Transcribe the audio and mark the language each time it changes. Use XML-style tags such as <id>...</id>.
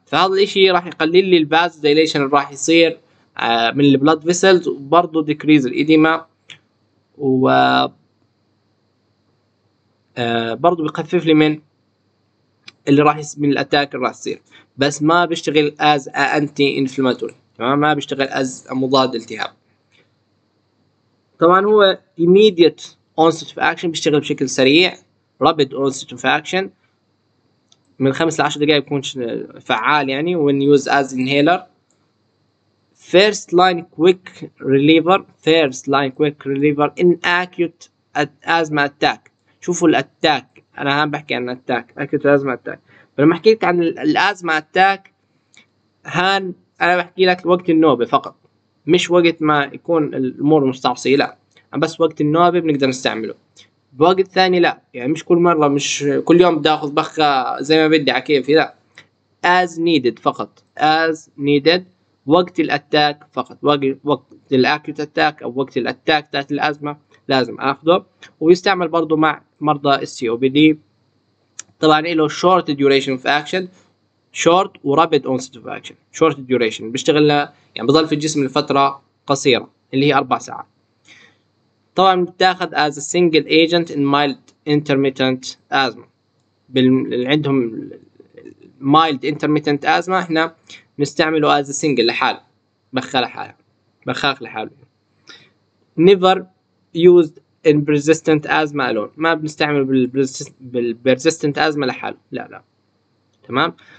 <ar>فهذا الاشي راح يقلل لي الباز دايليشن اللي راح يصير من البلاد فيسلز، وبرضه ديكريز الايديما و برضه بخفف لي من اللي راح من الاتاك اللي راح تصير، بس ما بيشتغل از انتي انفلاماتوري تمام، ما بيشتغل از مضاد التهاب. طبعا هو ايميديت اونست اوف اكشن، بيشتغل بشكل سريع رابيد اونست اوف اكشن، من 5 ل 10 دقائق بيكون فعال يعني، وين يوز از انهيلر.</ar> <en>First line quick reliever, first line quick reliever in acute asthma attack.</en> <ar>شوفوا الاتاك, انا هم بحكي عن الاتاك,</ar> <en>acute asthma attack.</en> <ar>لما حكي لك عن الازمة اتاك هان, انا بحكي لك وقت النوبة فقط, مش وقت ما يكون الامور مستعصية, لا, بس وقت النوبة بنقدر نستعمله. بوقت ثاني لا, يعني مش كل مرة, مش كل يوم بدي اخذ بخة زي ما بدي عكيفي, لا,</ar> <en>as needed</en> <ar>فقط, as needed وقت الاتاك فقط, وقت الاكيوت اتاك او وقت الاتاك تاعت الازمة لازم اخذه. ويستعمل برضو مع مرضى السي او بي دي, طبعا له</ar> <en>short duration of action,</en> <ar>short و</ar> <en>rapid onset of action. short duration</en> <ar>بيشتغل يعني بضل في الجسم لفترة قصيرة اللي هي 4 ساعات. طبعا بتاخد</ar> <en>as a single agent in mild intermittent asthma.</en> <ar>عندهم</ar> <en>mild intermittent asthma</en> <ar>احنا نستعمله</ar> <en>as a single</en> <ar>لحال, بخاخ لحاله.</ar> <en>never used in persistent asthma alone,</en> <ar>ما بنستعمل بالبرزيستنت ازمة لحاله, لا لا, تمام.</ar>